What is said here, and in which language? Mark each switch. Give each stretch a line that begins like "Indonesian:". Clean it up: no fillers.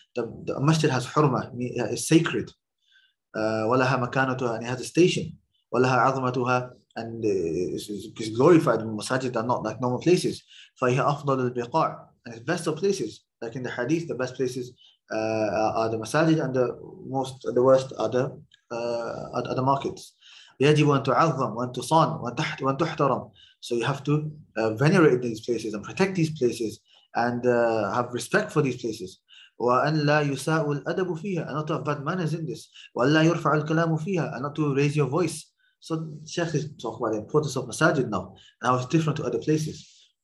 English: The masjid has حرمة, it's sacred.
Arabic: ولها مكانتها,
English: and it has a station.
Arabic: ولها عظمتها,
English: and it's glorified. Masajid are not like normal places.
Arabic: فهي أفضل البقاع,
English: and it's best of places. Like in the hadith, the best places are the masajid, and the worst are the markets.
Arabic: يجب أن تعظم وأن تصان وأن تحترم.
English: So you have to venerate these places and protect these places and have respect for these places.
Arabic: وأن لا يساء الأدب فيها,
English: and not to have bad manners in this.
Arabic: وأن لا يرفع الكلام فيها,
English: and not to raise your voice. So Sheikh is talking about the importance of masajid now, and how it's different to other places.